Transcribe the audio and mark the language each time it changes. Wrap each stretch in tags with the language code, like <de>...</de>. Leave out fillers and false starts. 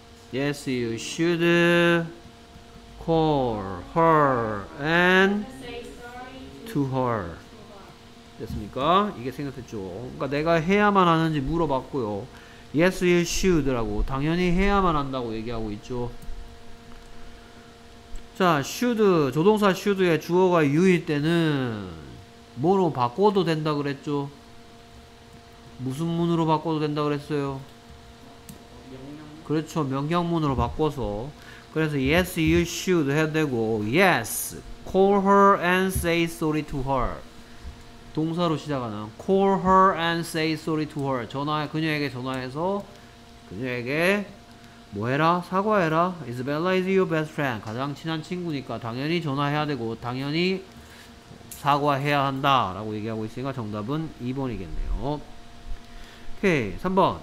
<en>Yes you should call her and to her.</en> <ko>됐습니까? 이게 생각했죠. 그러니까 내가 해야만 하는지 물어봤고요.</ko> <en>Yes, you should</en> <ko>라고 당연히 해야만 한다고 얘기하고 있죠. 자, should, 조동사 should의 주어가 you일 때는 뭐로 바꿔도 된다 그랬죠? 무슨 문으로 바꿔도 된다 그랬어요? 그렇죠, 명령문으로 바꿔서. 그래서</ko> <en>yes, you should</en> <ko>해야 되고</ko> <en>yes, call her and say sorry to her.</en> <ko>동사로 시작하는</ko> <en>call her and say sorry to her.</en> <ko>전화해, 그녀에게 전화해서 그녀에게 뭐해라? 사과해라.</ko> <en>Isabella is your best friend.</en> <ko>가장 친한 친구니까 당연히 전화해야 되고 당연히 사과해야 한다 라고 얘기하고 있으니까 정답은 2번이겠네요. 오케이. 3번.</ko>